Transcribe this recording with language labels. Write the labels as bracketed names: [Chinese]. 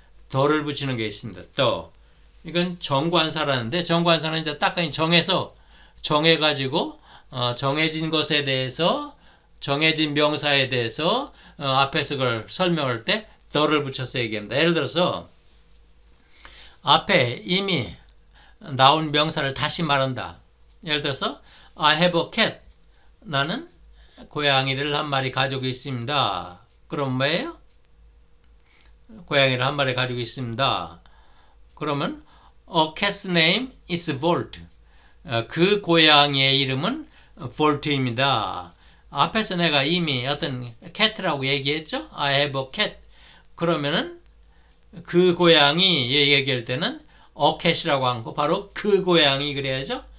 [Korean] 더를 붙이는 게 있습니다. 더. 이건 정관사라는데 정관사는 이제 딱 그냥 정해가지고 정해진 것에 대해서 정해진 명사에 대해서 앞에서 그걸 설명할 때 더를 붙여서 얘기합니다. 예를 들어서 앞에 이미 나온 명사를 다시 말한다. 예를 들어서 [English] I have a cat. [Korean] 나는 고양이를 한 마리 가지고 있습니다. 그럼 뭐예요? 고양이를 한 마리 가지고 있습니다. [English] 그러면 A cat's name is Volt. [Korean] 그 고양이의 이름은 Volt입니다. 앞에서 내가 이미 어떤 cat라고 얘기했죠? [English] I have a cat. [Korean] 그러면은 그 고양이 얘기할 때는 a cat이라고 하고 바로 그 고양이 그래야죠.